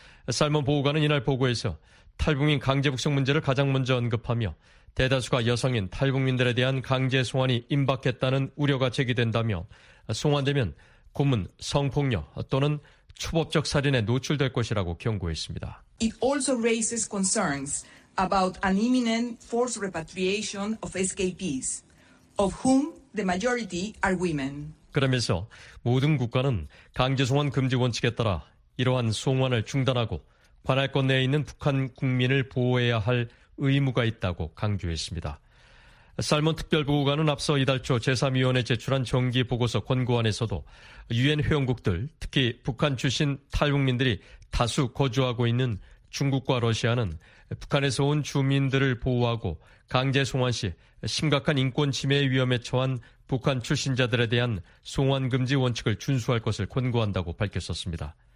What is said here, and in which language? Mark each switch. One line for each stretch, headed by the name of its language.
Korean: 살몬 보고관은 이날 보고에서 탈북민 강제북송 문제를 가장 먼저 언급하며 대다수가 여성인 탈북민들에 대한 강제 송환이 임박했다는 우려가 제기된다며 송환되면 고문, 성폭력 또는 초법적 살인에 노출될 것이라고 경고했습니다.
English: It also raises concerns about an imminent forced repatriation of escapees, of whom the majority are women.
Korean: 그러면서 모든 국가는 강제 송환 금지 원칙에 따라 이러한 송환을 중단하고 관할권 내에 있는 북한 국민을 보호해야 할 의무가 있다고 강조했습니다. 살몬 특별보고관은 앞서 이달 초 제3위원회 제출한 정기보고서 권고안에서도 유엔 회원국들, 특히 북한 출신 탈북민들이 다수 거주하고 있는 중국과 러시아는 북한에서 온 주민들을 보호하고 강제 송환 시 심각한 인권 침해 위험에 처한 북한 출신자들에 대한 송환 금지 원칙을 준수할 것을 권고한다고 밝혔었습니다.